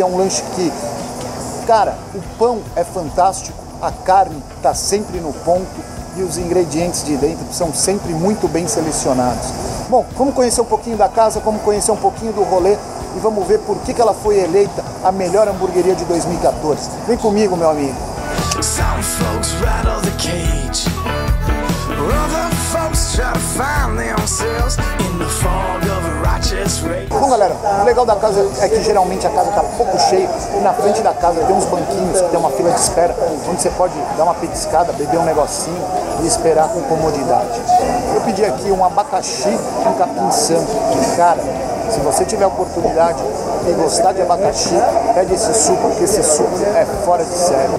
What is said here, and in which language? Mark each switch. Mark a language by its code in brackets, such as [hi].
[pt] É um lanche que, cara, o pão é fantástico, a carne tá sempre no ponto e os ingredientes de dentro são sempre muito bem selecionados. Bom, vamos conhecer um pouquinho da casa, vamos conhecer um pouquinho do rolê e vamos ver por que que ela foi eleita a melhor hamburgueria de 2014. Vem comigo, meu amigo. [en] Some folks rattle the cage, other folks try to find themselves in the fog of a righteous rage. [pt] Bom, galera, o legal da casa é que geralmente a casa tá pouco cheia e na frente da casa tem uns banquinhos que tem uma fila de espera onde você pode dar uma petiscada, beber um negocinho e esperar com comodidade. Eu pedi aqui um abacaxi e um capim santo. Cara, se você tiver a oportunidade e gostar de abacaxi, pede esse suco, porque esse suco é fora de série.